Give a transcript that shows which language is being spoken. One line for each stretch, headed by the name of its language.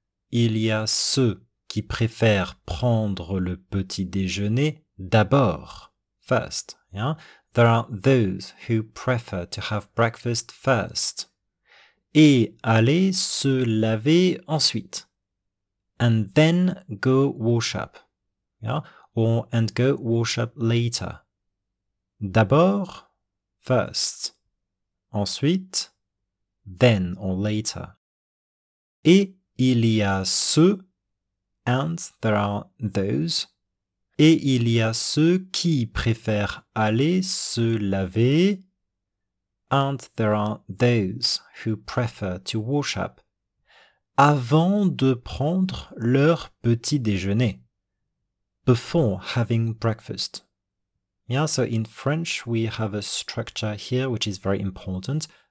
French: Il y a ceux qui préfèrent prendre le petit déjeuner d'abord.
English: First, yeah? There are those who prefer to have breakfast first.
French: Et aller se laver ensuite.
English: And then go wash up. Yeah? Or and go wash up later.
French: D'abord,
English: first.
French: Ensuite,
English: then or later.
French: Et il y a ceux,
English: and there are those,
French: et il y a ceux qui préfèrent aller se laver,
English: and there are those who prefer to wash up,
French: avant de prendre leur petit déjeuner,
English: before having breakfast. Yeah, so in French we have a structure here which is very important,